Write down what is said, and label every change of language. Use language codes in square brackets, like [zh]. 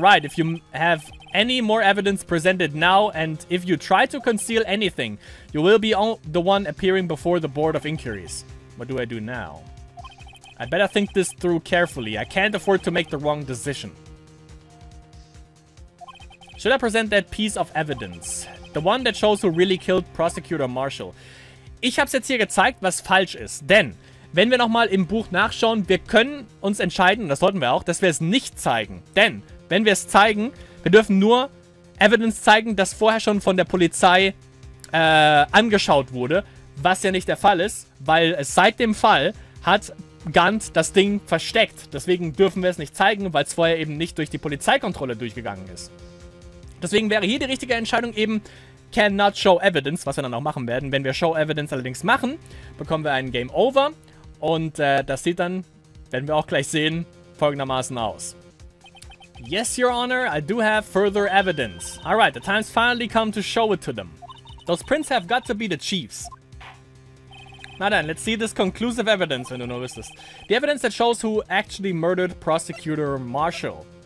[en] Wright, if you have any more evidence presented now, and if you try to conceal anything, you will be the one appearing before the Board of Inquiries. What do I do now? I better think this through carefully. I can't afford to make the wrong decision. Should I present that piece of evidence? The one that shows who really killed Prosecutor Marshall. [de] Ich habe es jetzt hier gezeigt, was falsch ist. Denn, wenn wir nochmal im Buch nachschauen, wir können uns entscheiden, das sollten wir auch, dass wir es nicht zeigen. Denn, wenn wir es zeigen, wir dürfen nur Evidence zeigen, das vorher schon von der Polizei angeschaut wurde. Was ja nicht der Fall ist, weil seit dem Fall hat Gunt das Ding versteckt. Deswegen dürfen wir es nicht zeigen, weil es vorher eben nicht durch die Polizeikontrolle durchgegangen ist. Deswegen wäre hier die richtige Entscheidung eben, [en] cannot show evidence, [de] was wir dann auch machen werden. Wenn wir show evidence allerdings machen, bekommen wir einen Game Over. Und das sieht dann, werden wir auch gleich sehen, folgendermaßen aus. [en] Yes, your honor, I do have further evidence. Alright, the time's finally come to show it to them. Those prints have got to be the chiefs. [de] Na dann, [en] let's see this conclusive evidence, [de] wenn du nur wüsstest. [en] The evidence that shows who actually murdered Prosecutor Marshall.